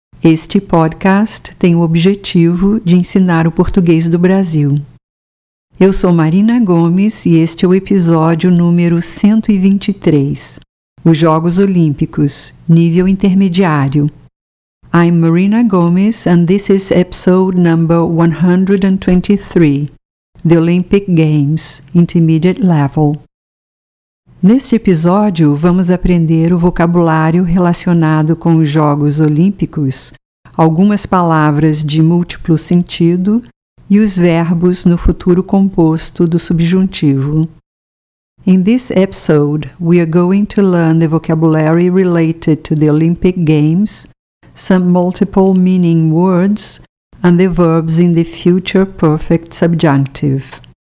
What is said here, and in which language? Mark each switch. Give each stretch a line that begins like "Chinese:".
Portuguese: Este podcast tem o objetivo de ensinar o português do Brasil. Eu sou Marina Gomes e este é o episódio número 123. Os Jogos Olímpicos, nível intermediário.
English: I'm Marina Gomes and this is episode number 123. The Olympic Games, Intermediate Level.
Portuguese: Neste episódio, vamos aprender o vocabulário relacionado com os Jogos Olímpicos, algumas palavras de múltiplo sentido e os verbos no futuro composto do subjuntivo.
English: In this episode, we are going to learn the vocabulary related to the Olympic Games, some multiple meaning words, and the verbs in the future perfect subjunctive.